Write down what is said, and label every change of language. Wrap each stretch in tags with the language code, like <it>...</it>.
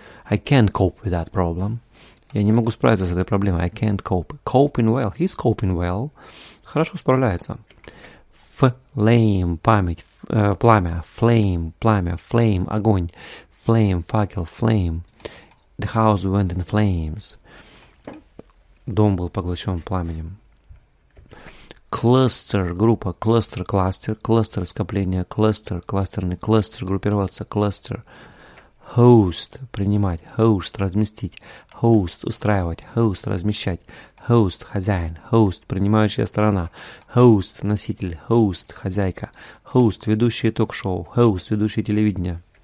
<en>I can't cope with that problem,</en> <ru>я не могу справиться с этой проблемой,</ru> <en>I can't cope, coping well, he's coping well,</en> <ru>хорошо справляется,</ru> <en>flame, память, пламя, flame, пламя, flame, огонь, flame, факел, flame. The house went in flames.</en> <ru>Дом был поглощен пламенем.</ru> <en>Cluster, группа, cluster, cluster, cluster, скопление, cluster, кластерный, cluster, группироваться, cluster.</en> <ru>Host, принимать, host, разместить, host, устраивать, host, размещать, host, хозяин, host, принимающая сторона, host, носитель, host, хозяйка, host, ведущий ток-шоу, host, ведущий телевидения.</ru>